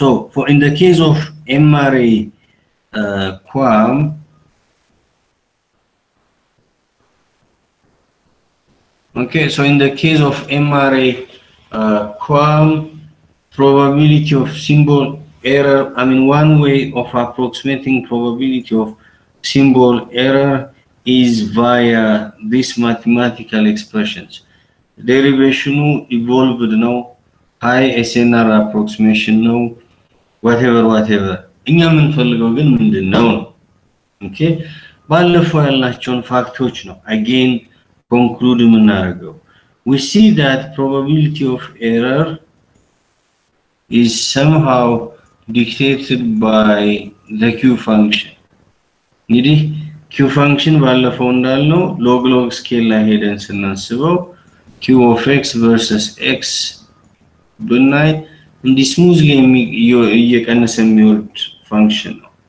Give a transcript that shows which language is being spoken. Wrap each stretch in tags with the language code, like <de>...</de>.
<en>So for in the case of MRA QAM, okay, so in the case of MRA QAM, probability of symbol error, I mean one way of approximating probability of symbol error is via these mathematical expressions. Derivation evolved, no, high SNR approximation, no, whatever, whatever.</en> <am>እኛ የምንፈልገው ግን ምንድን ነው? ኦኬ ባለፈው ያልናቸውን ፋክቶች ነው</am> <en>again conclude</en> <am>የምናደርገው.</am> <en>We see that probability of error is somehow dictated by the Q function.</en> <am>እንግዲህ Q function ባለፈው እንዳልነው log log scale ላይ ሄደን ስናስበው Q of x versus x ብናይ እንዲህ smoothly እየቀነሰ የሚወርድ functional.</am>